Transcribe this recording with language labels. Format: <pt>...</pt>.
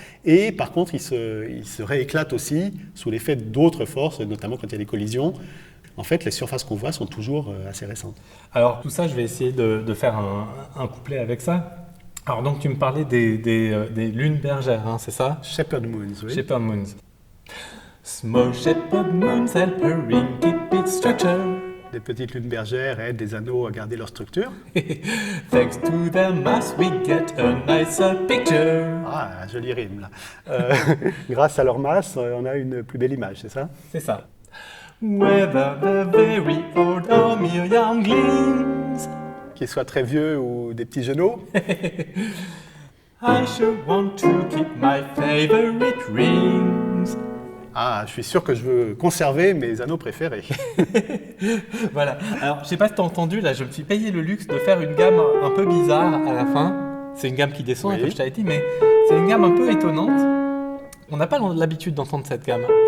<fr>Et par contre, ils se rééclatent aussi sous l'effet d'autres forces, notamment quand il y a des collisions. En fait, les surfaces qu'on voit sont toujours assez récentes. Alors tout ça, je vais essayer de faire un couplet avec ça. Alors donc, tu me parlais des lunes bergères, hein, c'est ça ?</fr> <en>Shepherd Moons, oui. Shepherd Moons. Small Shepherd Moons help a ring keep its structure.</en> <fr>Des petites lunes bergères aident des anneaux à garder leur structure.</fr> <en>Thanks to their mass, we get a nicer picture.</en> <fr>Ah, joli rime, là. grâce à leur masse, on a une plus belle image, c'est ça ? C'est ça.</fr> <en>Whether the very old or mere younglings.</en> <fr>Qu'ils soient très vieux ou des petits genoux.</fr> <en>I sure want to keep my favorite rings.</en> <fr>Ah, je suis sûr que je veux conserver mes anneaux préférés. Voilà. Alors, je ne sais pas si tu as entendu, là, je me suis payé le luxe de faire une gamme un peu bizarre à la fin. C'est une gamme qui descend, oui. Comme je t'avais dit, mais c'est une gamme un peu étonnante. On n'a pas l'habitude d'entendre cette gamme.</fr>